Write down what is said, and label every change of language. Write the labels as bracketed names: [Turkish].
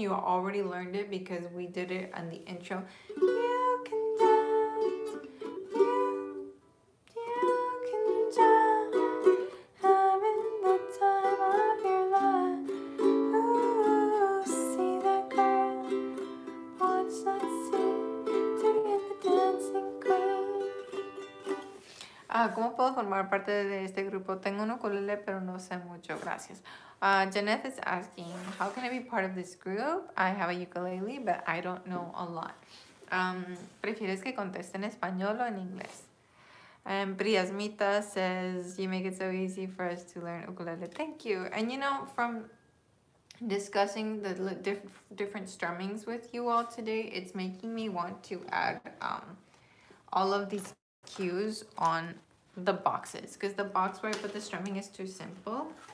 [English] You already learned it because we did it on the intro. You can dance, you can jump, having the time of your life. Ooh, see that girl, watch that scene, to get the dancing queen. [Spanish] Ah, ¿cómo puedo formar parte de este grupo? Tengo un ukulele, pero no sé mucho. Gracias. [English] Jeanette is asking, how can I be part of this group? I have a ukulele, but I don't know a lot. [Spanish] ¿Prefieres que conteste en español o en inglés? [English] And Priyasmita says, you make it so easy for us to learn ukulele. Thank you. And you know, from discussing the different strummings with you all today, it's making me want to add all of these cues on the boxes, because the box where I put the strumming is too simple.